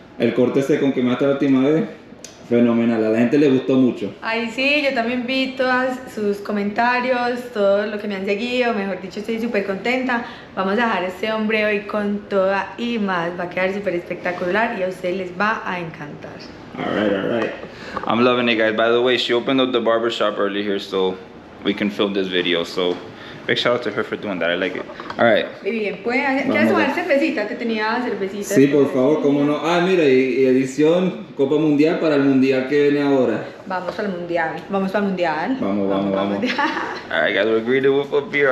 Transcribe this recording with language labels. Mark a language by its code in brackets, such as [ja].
[es] El corte ese con que me hasta la última vez, fenomenal, a la gente le gustó mucho. Ay, sí, yo también vi todos sus comentarios, todo lo que me han seguido, mejor dicho, estoy súper contenta. Vamos a dejar a este hombre hoy con toda y más, va a quedar súper espectacular y a ustedes les va a encantar. [en] All right. I'm loving it, guys. By the way, she opened up the barbershop early here so we can film this video. So big shout out to her for doing that. I like it. All right. [es] Bien, ¿quieres tomar cervecita? Te tenía cervecita. Sí, por favor, cómo no. Ah, mira, y edición Copa Mundial para el Mundial que viene ahora. Vamos al Mundial. Vamos para el Mundial. Vamos. [en] All right, guys, we're greeted with a beer.